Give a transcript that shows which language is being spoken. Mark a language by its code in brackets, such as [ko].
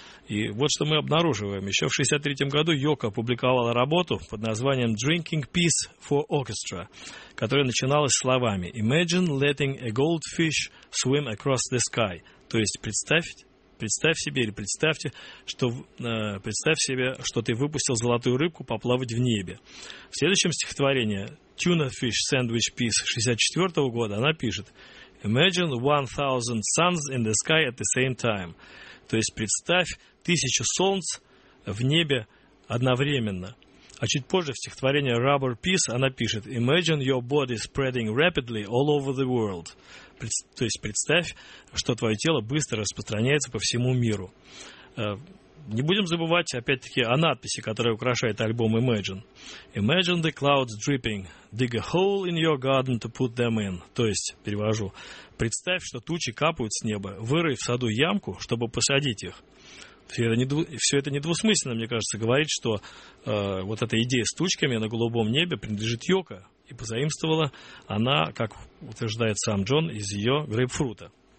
[ru] И вот что мы обнаруживаем. Еще в 1963 году Йоко опубликовала работу под названием «Drinking Peace for Orchestra», которая начиналась словами [en] «Imagine letting a goldfish swim across the sky». [ru] То есть «представь Представь себе или представьте, что, представь себе, что ты выпустил золотую рыбку поплавать в небе. В следующем стихотворении Tuna Fish Sandwich Piece 64 года она пишет [en] «Imagine 1000 suns in the sky at the same time». [ru] То есть представь 1000 солнц в небе одновременно. А чуть позже в стихотворении Rubber Piece она пишет [en] «Imagine your body spreading rapidly all over the world». [ru] То есть представь, что твое тело быстро распространяется по всему миру. Не будем забывать, опять-таки, о надписи, которая украшает альбом Imagine. [en] «Imagine the clouds dripping. Dig a hole in your garden to put them in». [ru] То есть, перевожу, представь, что тучи капают с неба. Вырой в саду ямку, чтобы посадить их. Все это недвусмысленно, мне кажется, говорит, что вот эта идея с тучками на голубом небе принадлежит Йоко. И позаимствовала она, как утверждает сам Джон, из ее грейпфрута.